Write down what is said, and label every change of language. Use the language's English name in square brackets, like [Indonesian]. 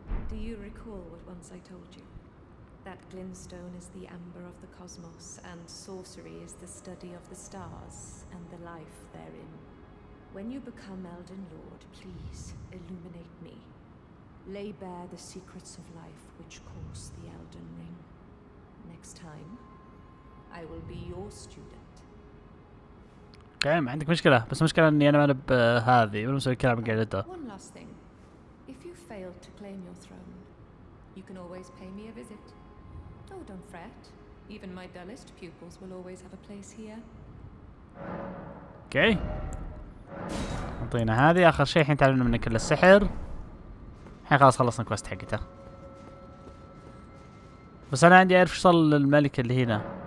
[English] Do you recall what once I told you? That glintstone is the amber of the cosmos, and sorcery is the study of the stars, and the life therein. When you become Elden Lord, please, illuminate me. Lay bare the secrets of life which course the Elden Ring. Next time, I will be your student. [Arabic] اوكي ما عندك مشكلة، بس مشكلة اني انا ما انا بهذي ولا مسوي كلام قلته. [English] One last thing. If you fail to claim your throne, you can always pay me a visit. Oh, don't fret. Even my dullest pupils will always have a place here. [Arabic] اوكي. اعطينا هذي اخر شيء الحين تعلمنا منك كل السحر. الحين خلاص خلصنا الكوست حقته. بس انا عندي اعرف ايش صار للملكة اللي هنا.